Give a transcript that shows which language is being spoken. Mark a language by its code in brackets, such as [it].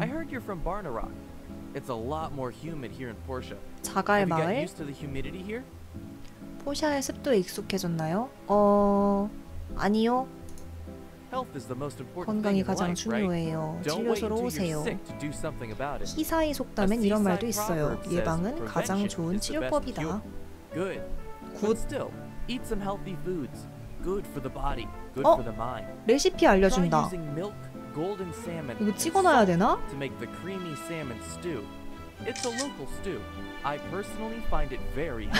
[en] I heard you're from Barnarok. It's a lot more humid here in Portia. [ko] 자갈 마을? [en] Have you got used to the humidity here? [ko] 포샤의 습도에 익숙해졌나요? 어, 아니요. [en] Health is the most important. [ko] 건강이 가장 중요해요. 치료소로 오세요. 희사의 속담엔 이런 말도 있어요. 예방은 가장 좋은 치료법이다. [en] Good. Good. Still, eat some healthy foods. Good for the body. Good for the mind. [ko] 레시피 알려준다. [en] Milk, golden salmon. [ko] 이거 찍어놔야 되나? [en] To make the creamy salmon stew. It's a local stew. I personally find it very.